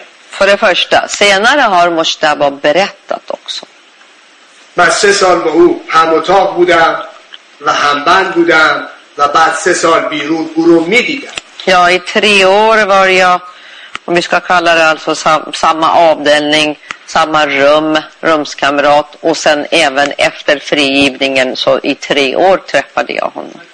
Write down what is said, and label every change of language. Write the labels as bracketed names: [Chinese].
[Swedish] För det första, senare har Mushtaba berättat också. [Persian] من 3 سال با او هم اتاق بودم و همبند بودم و بعد 3 سال بیرون او رو میدیدم. [Swedish] یا ای 3 år var jag, om vi ska kalla det alltså samma avdelning, samma rum, rumskamrat, och sen även efter frigivningen så i 3 år träffade jag honom.